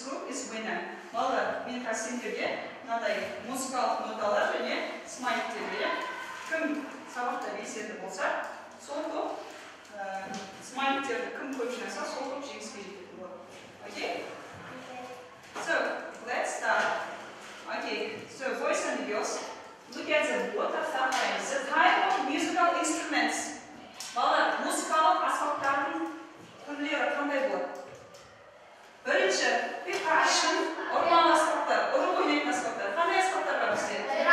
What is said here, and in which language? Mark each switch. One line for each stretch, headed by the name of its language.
Kazakh: сіздерге мынандай музыкалық ноталар және смайктерге. Кім сабақта белсенді болса, сол топ смайктерді кім көп жинаса, сол топ жеңіске жетеді.
English: Окей? So, let's start. Okay, so boys and girls, look at the water sign. The type of musical instruments.
Kazakh: Балар, музыкалық аспаптардың түрлері қандай болады? Бірінші, percussion, орман аспапты, ұрып ойнайтын аспапты. Қандай аспаптар бар бізде?